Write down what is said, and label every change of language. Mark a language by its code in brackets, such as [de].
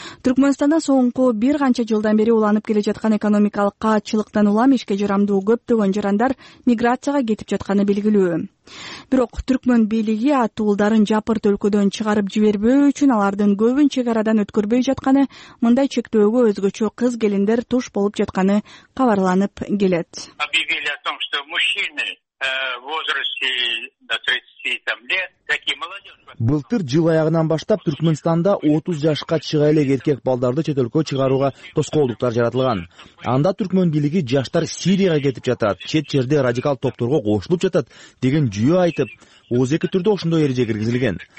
[ky] Түркмөнстанда соңку бир канча жылдан бери уланып келе жаткан экономикалык каатчылыктан улам ишке жарамдуу көптөгөн жарандар миграцияга кетип жатканы белгилүү. Бирок түркмөн бийлиги атуулдарын жапырт өлкөдөн чыгарып жибербөө үчүн алардын көбүн чек арадан өткөрбөй жатканы, мындай чектөөгө өзгөчө кыз келиндер туш болуп жатканы кабарланып келет. [ru] Объявили о том, что мужчины в возрасте до 30 лет. [ky] Былтыр жыл аягынан баштап Түркмөнстанда 30 жашка чыга элек эркек балдарды чет өлкөгө чыгарууга тоскоолдуктар жаратылган. Анда түркмөн бийлиги жаштар Сирияга кетип жатат, чет жерде радикал топторго кошулуп жатат деген жүйө айтып, 32 түрдө ошондой эреже киргизилген.